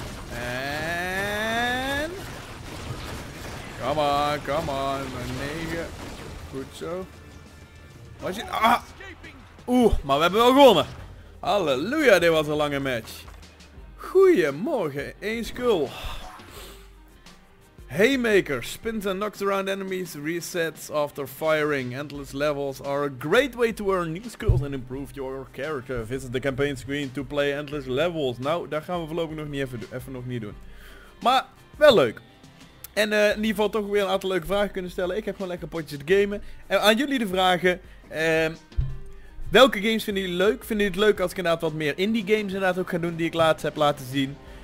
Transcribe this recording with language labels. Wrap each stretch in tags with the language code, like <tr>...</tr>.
<nl>En...</nl> <en>Come on,</en> <nl>mijn 9. Goed zo. Was je... Ah! Oeh, maar we hebben wel gewonnen. Halleluja, dit was een lange match. Goedemorgen, één skull.</nl> <en>Haymaker spins and knocks around enemies, resets after firing. Endless levels are a great way to earn new skills and improve your character. Visit the campaign screen to play endless levels.</en> <nl>Nou, daar gaan we voorlopig nog niet even doen. Maar wel leuk. En in ieder geval toch weer een aantal leuke vragen kunnen stellen. Ik heb gewoon lekker potjes te gamen. En aan jullie de vragen. Welke games vinden jullie leuk? Vinden jullie het leuk als ik inderdaad wat meer indie games inderdaad ook ga doen die ik laatst heb laten zien?</nl>